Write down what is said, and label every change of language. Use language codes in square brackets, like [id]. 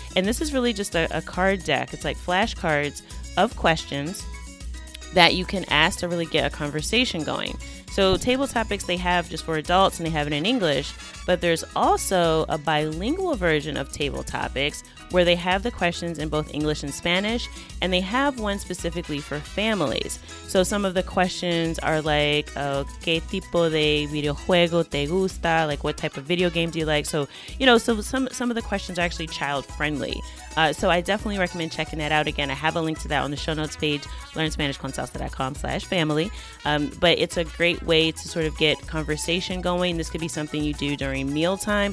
[en] And this is really just a card deck. It's like flashcards of questions that you can ask to really get a conversation going. So Table Topics, they have just for adults and they have it in English, but there's also a bilingual version of Table Topics where they have the questions in both English and Spanish, and they have one specifically for families. So some of the questions are like, [es] ¿qué tipo de videojuego te gusta? [en] Like, what type of video game do you like? So, you know, so some of the questions are actually child-friendly. So I definitely recommend checking that out. Again, I have a link to that on the show notes page, learnspanishconsalsa.com/family. But it's a great way to sort of get conversation going. This could be something you do during mealtime.